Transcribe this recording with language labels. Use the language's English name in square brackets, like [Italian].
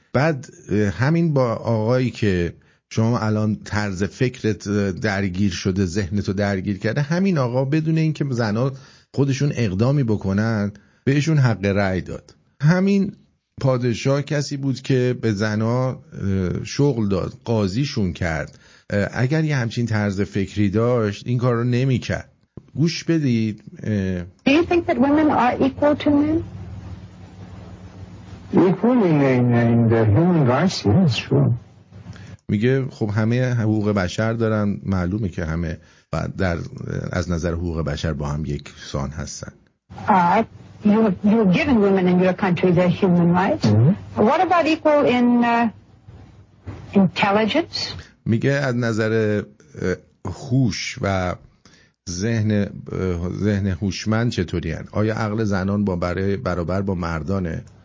[Persian] بعد همین با آقایی که شما الان طرز فکرت درگیر شده، ذهنتو درگیر کرده، همین آقا بدون اینکه زنها خودشون اقدامی بکنن بهشون حق رأی داد. همین پادشاه کسی بود که به زنها شغل داد، قاضیشون کرد. اگر یه همچین طرز فکری داشت این کار رو نمی کرد. گوش بدید. [English] Do you think that women are equal to men? Equal in the human rights, yes, sure. [Persian] میگه خب همه حقوق بشر دارن، معلومه که همه در از نظر حقوق بشر با هم یک سان هستن. [English] You've given women in your country their human rights. Mm-hmm. What about equal in intelligence? [Persian] میگه از نظر هوش و ذهن هوشمند چطوری هن؟ آیا عقل زنان برابر با مردانه؟